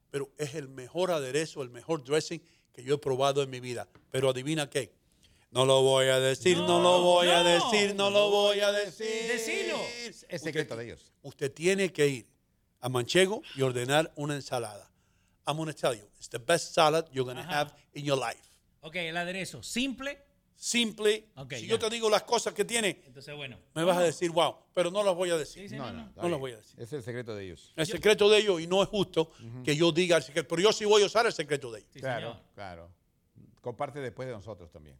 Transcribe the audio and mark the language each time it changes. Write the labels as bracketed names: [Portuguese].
[Spanish] Pero es el mejor aderezo, el mejor dressing que yo he probado en mi vida. Pero adivina qué. No lo voy a decir, no lo voy a decir. ¡Decilo! Es secreto de ellos. Usted tiene que ir a Manchego y ordenar una ensalada. [English] I'm going to tell you, it's the best salad you're going to have in your life. [Spanish] Okay, el aderezo, simple. simple. Okay, si ya. Yo te digo las cosas que tiene, entonces, bueno, me vas a decir wow, pero no las voy a decir. Sí, no las voy a decir. Es el secreto de ellos. El secreto de ellos, y no es justo que yo diga el secreto, pero yo sí voy a usar el secreto de ellos. Sí, claro, señor. Claro. Comparte después de nosotros también.